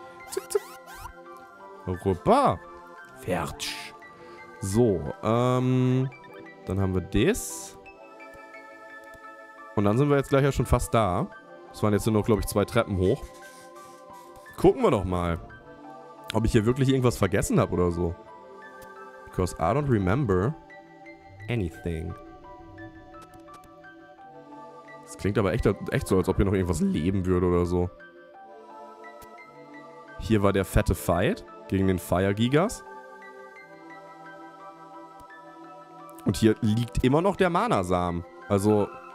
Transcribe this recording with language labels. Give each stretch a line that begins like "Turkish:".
German: Zick, zick. Rupa. Fertsch. So, dann haben wir das. Und dann sind wir jetzt gleich ja schon fast da. Es waren jetzt nur noch, glaube ich, zwei Treppen hoch. Gucken wir doch mal, ob ich hier wirklich irgendwas vergessen habe oder so.
English: Because I don't remember anything.
German: Das klingt aber echt so, als ob hier noch irgendwas leben würde oder so. Hier war der fette Fight gegen den Fire Gigas. Und hier liegt immer noch der Mana-Samen. Also...